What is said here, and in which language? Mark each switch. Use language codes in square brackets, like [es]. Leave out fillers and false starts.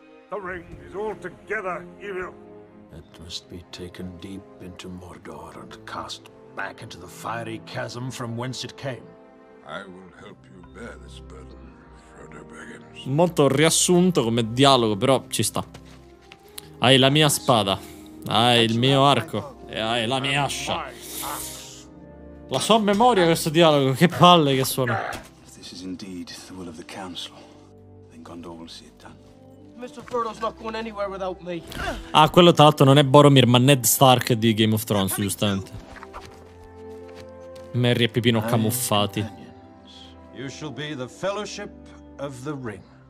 [en] The ring is altogether evil. It must be taken deep into Mordor and cast back into the fiery chasm from whence it came. I will help you bear this burden, Frodo Baggins. [it] Molto riassunto come dialogo, però ci sta. Hai la mia spada, hai il mio arco e hai la mia ascia. La sua memoria, questo dialogo, che palle che suona. [en] If this is indeed the will of the council, then Gondor will see it done. Mr. Frodo's not going anywhere without me. [it] Ah, quello tra l'altro non è Boromir, ma Ned Stark di Game of Thrones, giustamente. Merry e Pipino camuffati. [en] You shall be the fellowship of the ring.